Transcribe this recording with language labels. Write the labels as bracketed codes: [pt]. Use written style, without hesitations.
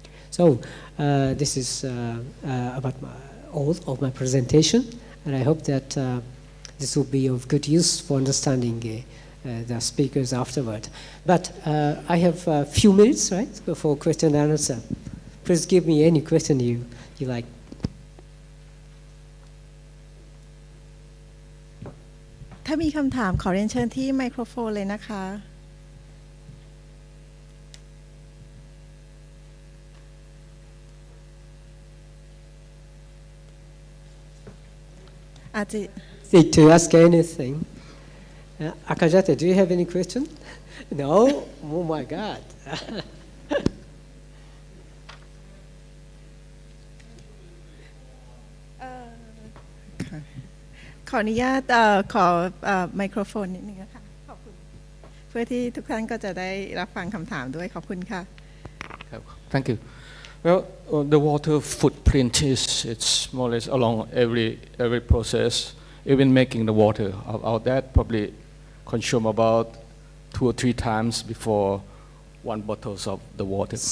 [en] So this is about all of my presentation, and I hope that this will be of good use for understanding the speakers afterward. But I have a few minutes, right, for question and answer. please give me any question you like. [th] ถ้ามีคำถามขอเรียนเชิญที่ไมโครโฟนเลยนะคะ [en] Seek to ask anything. Akajate, do you have any question? No? Oh my God. [th] ขออนุญาตขอไมโครโฟนนิดนึงนะคะขอบคุณเพื่อที่ทุกท่านก็จะได้รับฟังคำถามด้วยขอบคุณค่ะ [en] Thank you. Well, the water footprint is it's more or less along every process. Even making the water out that probably consume about two or three times before one bottles of the water.